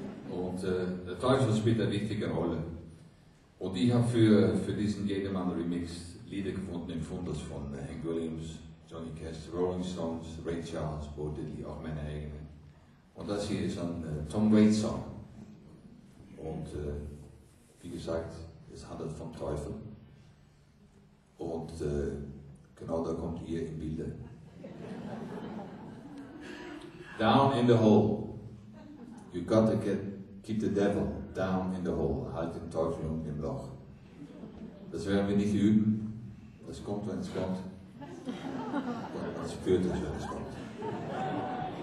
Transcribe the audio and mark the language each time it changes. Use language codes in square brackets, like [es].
[de] Und der Teufel spielt eine wichtige Rolle. Und ich habe für diesen Jedermann Remix Lieder gefunden im Fundus von Hank Williams, Johnny Cash, Rolling Stones, Ray Charles, Bo Diddley, auch meine eigenen. Und das hier ist ein Tom Waits Song. Und wie gesagt, es handelt vom Teufel. Und genau da kommt ihr im Bilde. [en] Down in the hole. You got to keep the devil down in the hole. [de] Halt den Teufel unten im Loch. Das werden wir nicht üben. Das kommt, wenn es kommt. Und das führt uns, wenn es kommt.